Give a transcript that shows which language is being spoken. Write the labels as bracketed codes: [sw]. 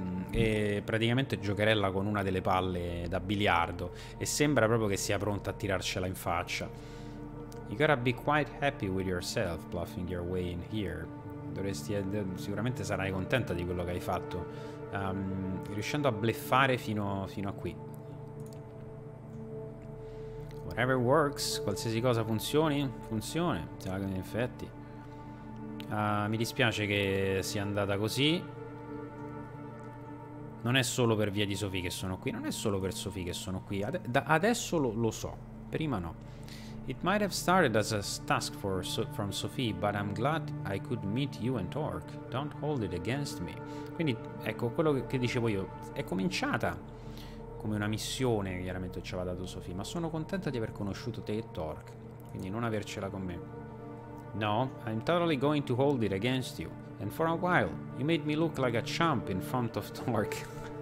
[it] E praticamente giocherella con una delle palle da biliardo e sembra proprio che sia pronta a tirarcela in faccia. [en] You gotta be quite happy with yourself, bluffing your way in here. [it] Sicuramente sarai contenta di quello che hai fatto, riuscendo a bluffare fino a qui. [en] Whatever works, [it] qualsiasi cosa funzioni, funziona. In effetti, mi dispiace che sia andata così. Non è solo per via di Sofì che sono qui. Non è solo per Sofì che sono qui. Adesso lo so. Prima no. [en] It might have started as a task from Sofì, but I'm glad I could meet you and talk. Don't hold it against me. [it] Quindi, ecco, quello che dicevo io. È cominciata come una missione, chiaramente, ci aveva dato Sofì. Ma sono contenta di aver conosciuto te e Torque. Quindi non avercela con me. [en] No, I'm totally going to hold it against you. And for a while, you made me look like a chump in front of Torque.